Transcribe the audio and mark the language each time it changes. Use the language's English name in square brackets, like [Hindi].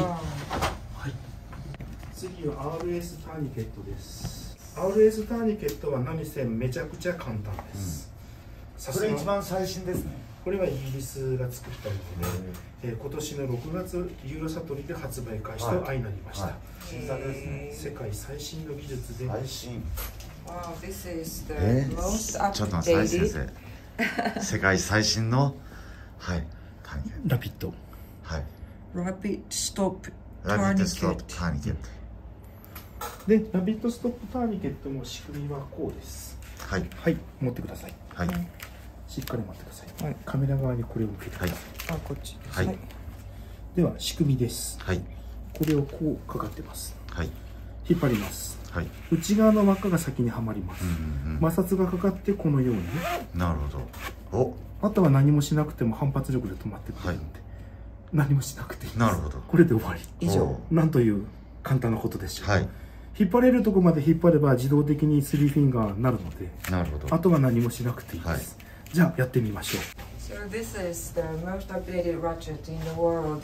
[Japanese] はい、次は RS ターニケットです。 RS ターニケットは何せめちゃくちゃ簡単です。うん、これ一番最新ですね。これはイギリスが作ったもので、今年の6月ユーロサトリで発売開始と相成りました。はいはい、新作ですね。世界最新の技術で。最新。 [English] Wow, this is the most updated. [Japanese] ちょっと待って、サイ先生。世界最新の、はい、ターニケット。ラピッド。はい。ラピッドストップターニケット。ラピッドストップターニケット。で、ラピッドストップターニケットの仕組みはこうです。はい。はい、持ってください。はい。しっかり待ってください、はい、カメラ側にこれを受けてください、はい、あ、こっちです、はい、では仕組みです、はい、これをこうかかってます、はい、引っ張ります、はい、内側の輪っかが先にはまります、うんうんうん、摩擦がかかってこのように。なるほど。お、あとは何もしなくても反発力で止まってくれるんで、はい、何もしなくていいです。なるほど。これで終わり。以上。なんという簡単なことでしょう、はい、引っ張れるとこまで引っ張れば自動的に3フィンガーになるので。なるほど。あとは何もしなくていいです、はい、じゃあやってみましょう。 [English] So this is the most updated ratchet in the world.